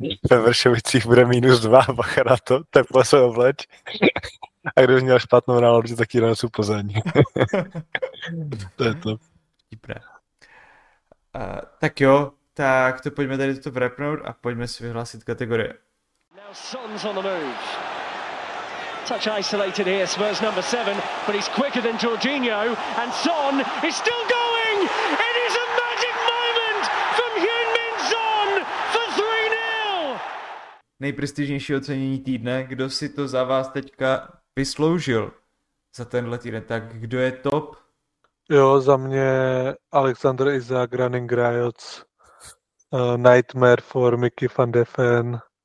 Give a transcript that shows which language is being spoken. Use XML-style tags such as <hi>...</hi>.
<cs>Ve Vršovicích bude -2, bacha na to, teplo se obleč. A kdo měl špatnou náladu, tak jde nesu Plzeň. To je to. Vtipné. Tak jo, tak to pojďme tady toto vrepnout a pojďme si vyhlásit kategorie.</cs> <en>Son's on the move. Touch isolated here, Spurs number 7, but he's quicker than Jorginho, and Son is still going! It is a magic moment from Heung-min Son for 3-0!</en> <cs>Nejprestižnější ocenění týdne, kdo si to za vás teďka vysloužil za tenhle týden, tak kdo je top? Jo, za mě Alexander Isak,</cs> <en>Running Riots, Nightmare for Mickey van de Ven.</en>